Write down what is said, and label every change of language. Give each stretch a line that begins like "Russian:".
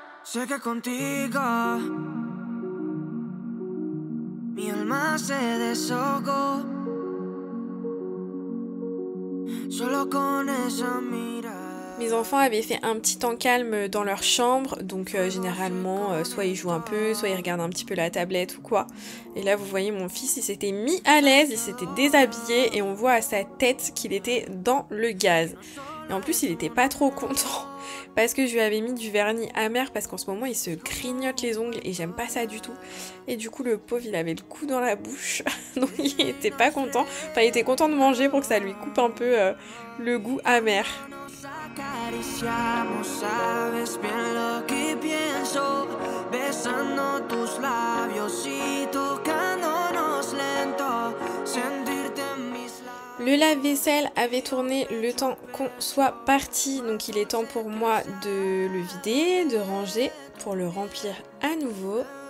Spanish: Que contigo mi alma se desahogó solo con esa mirada.
French: Mes enfants avaient fait un petit temps calme dans leur chambre, donc généralement, soit ils jouent un peu, soit ils regardent un petit peu la tablette ou quoi. Et là, vous voyez mon fils, il s'était mis à l'aise, il s'était déshabillé et on voit à sa tête qu'il était dans le gaz. Et en plus, il était pas trop content parce que je lui avais mis du vernis amer parce qu'en ce moment, il se grignote les ongles et j'aime pas ça du tout. Et du coup, le pauvre, il avait le cou dans la bouche, donc il était pas content. Enfin, il était content de manger pour que ça lui coupe un peu le goût amer.
Spanish: Acariciamos, sabes bien lo que pienso, besando tus labios y tocándonos lento, sentirte en mis labios.
French: Le lave-vaisselle avait tourné le temps qu'on soit parti, donc il est temps pour moi de le vider, de ranger pour le remplir à nouveau.